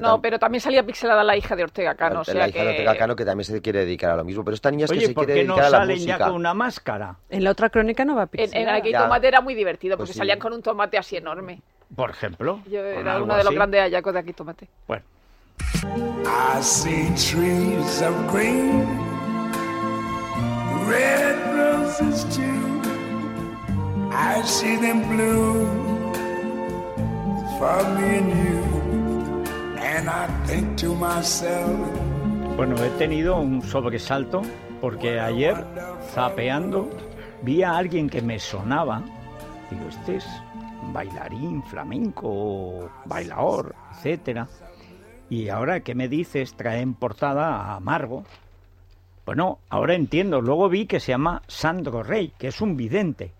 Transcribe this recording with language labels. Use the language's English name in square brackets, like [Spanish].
[Spanish] No, pero también salía pixelada la hija de Ortega Cano. La hija que... de Ortega Cano, que también se quiere dedicar a lo mismo. Pero esta niña es oye, que se quiere no dedicar a la música. ¿Por qué no salen ya con una máscara? En la otra crónica no va a pixelar. En aquel tomate era muy divertido, porque pues sí. Salían con un tomate así enorme. ¿Por ejemplo? Yo era uno de los grandes hallacos de aquel tomate. Bueno. [English] I see trees of green, red roses too. I see them bloom for me and you. And I think to myself. [Spanish] Bueno, he tenido un sobresalto porque ayer, zapeando, vi a alguien que me sonaba. Digo, este es un bailarín flamenco, bailador, etcétera. Y ahora, ¿qué me dices? Trae en portada a Amargo. Bueno, ahora entiendo. Luego vi que se llama Sandro Rey, que es un vidente.